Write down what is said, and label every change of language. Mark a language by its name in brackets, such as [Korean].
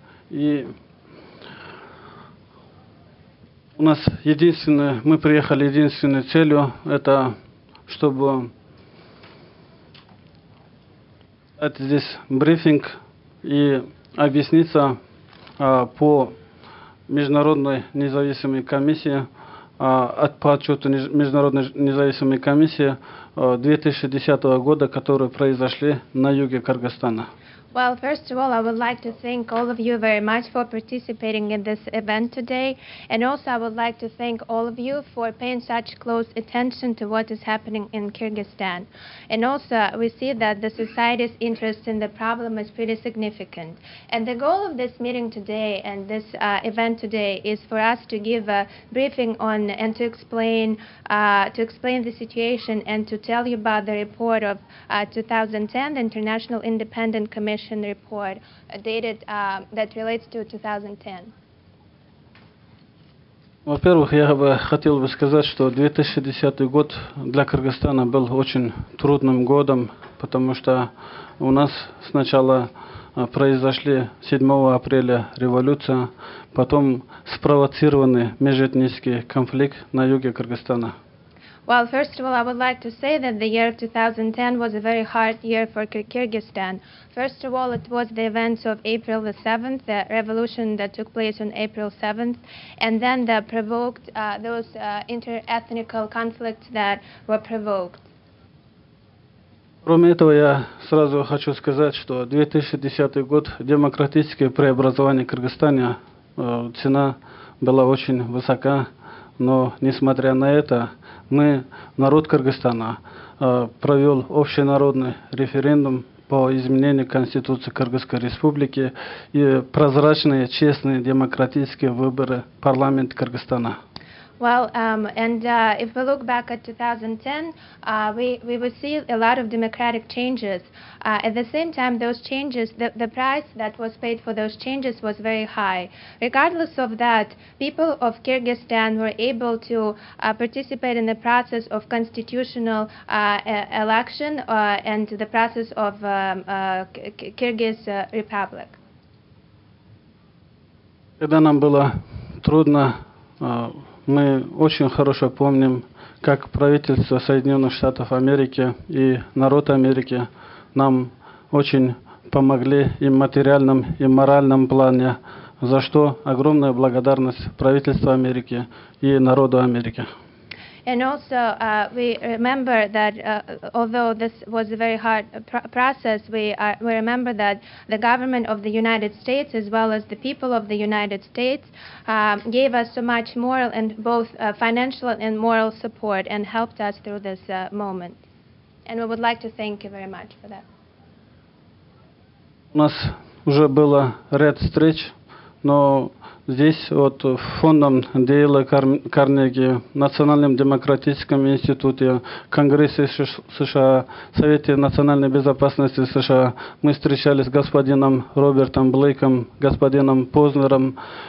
[Russian] И у нас единственной целью это чтобы дать здесь брифинг и объясниться по Международной независимой комиссии по отчету Международной независимой комиссии 2010 года, которые произошли на юге Кыргызстана. [English] Well, first of all, I would like to thank all of you very much for participating in this event today. And also, I would like to thank all of you for paying such close attention to what is happening in Kyrgyzstan. And also, we see that the society's interest in the problem is pretty significant. And the goal of this meeting today and this event today is for us to give a briefing on and to explain the situation and to tell you about the report of 2010, the International Independent Commission report dated that relates to 2010. [Russian] Во-первых, я бы хотел бы сказать, что 2010 год для Кыргызстана был очень трудным годом, потому что у нас сначала произошли 7 апреля революция, потом спровоцированный межэтнический конфликт на юге Кыргызстана. [English] Well, first of all, I would like to say that the year 2010 was a very hard year for Kyrgyzstan. First of all, it was the events of April the 7th, the revolution that took place on April 7th, and then that provoked those inter-ethnical conflicts that were provoked. [Russian] Кроме этого, я сразу хочу сказать, что 2010 год демократическое преобразование Кыргызстана, цена была очень высока, но несмотря на это, мы, народ Кыргызстана, провел общенародный референдум по изменению Конституции Кыргызской Республики и прозрачные, честные, демократические выборы парламента Кыргызстана. [English] Well, if we look back at 2010, we would see a lot of democratic changes. At the same time, those changes, the price that was paid for those changes was very high. Regardless of that, people of Kyrgyzstan were able to participate in the process of constitutional election and the process of Kyrgyz Republic. [Russian] Когда нам было трудно, мы очень хорошо помним, как правительство Соединенных Штатов Америки и народ Америки нам очень помогли и в материальном, и в моральном плане, за что огромная благодарность правительству Америки и народу Америки. [English] And also, we remember that although this was a very hard process, we remember that the government of the United States, as well as the people of the United States, gave us so much moral and both financial and moral support and helped us through this moment. And we would like to thank you very much for that. [Russian] У нас уже было ряд встреч, но здесь вот фондом Дейла Карнеги, Национальным демократическим институтом, Конгрессом США, Совете национальной безопасности США мы встречались с господином Робертом Блейком, господином Познером.